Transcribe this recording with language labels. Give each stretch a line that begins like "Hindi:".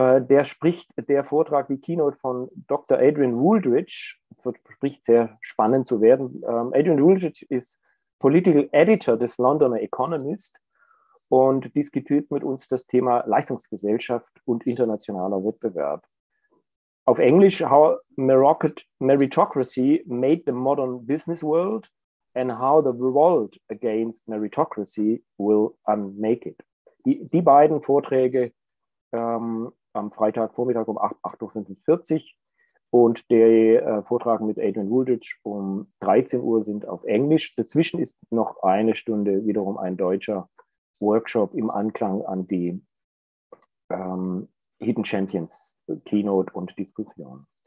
German: Der Vortrag, die Keynote von Dr. Adrian Wooldridge, verspricht sehr spannend zu werden. Adrian Wooldridge ist Political Editor des Londoner Economist und diskutiert mit uns das Thema Leistungsgesellschaft und internationaler Wettbewerb. Auf Englisch,
English: how meritocracy made the modern business world and how the revolt against meritocracy will unmake it.
German: Die beiden Vorträge am Freitagvormittag um 8, 8.45 Uhr und der Vortrag mit Adrian Wooldridge um 13 Uhr sind auf Englisch. Dazwischen ist noch eine Stunde wiederum ein deutscher Workshop im Anklang an die Hidden Champions Keynote und Diskussion.